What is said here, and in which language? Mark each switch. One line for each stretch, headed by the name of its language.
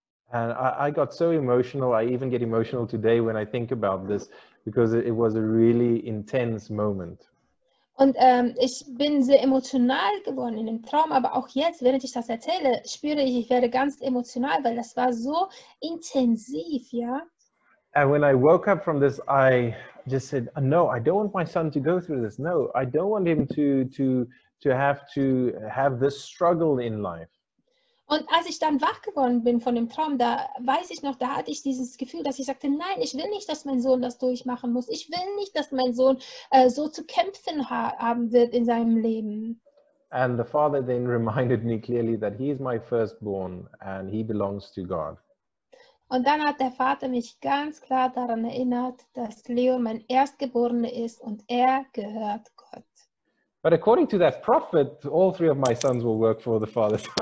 English: And I got so emotional, I even get emotional today when I think about this, because it was a really intense moment.
German: Und ich bin sehr emotional geworden in dem Traum, aber auch jetzt, während ich das erzähle, spüre ich, ich werde ganz emotional, weil das war so intensiv, ja.
English: And when I woke up from this, I just said, no, I don't want my son to go through this. No, I don't want him to have this struggle in life.
German: Und als ich dann wach geworden bin von dem Traum, da weiß ich noch, da hatte ich dieses Gefühl, dass ich sagte, nein, ich will nicht, dass mein Sohn das durchmachen muss. Ich will nicht, dass mein Sohn so zu kämpfen haben wird in seinem Leben.
English: And the father then reminded me clearly that he is my firstborn and he belongs to God.
German: Und dann hat der Vater mich ganz klar daran erinnert, dass Leo mein Erstgeborener ist und er gehört.
English: But according to that prophet, all three of my sons will work for the father.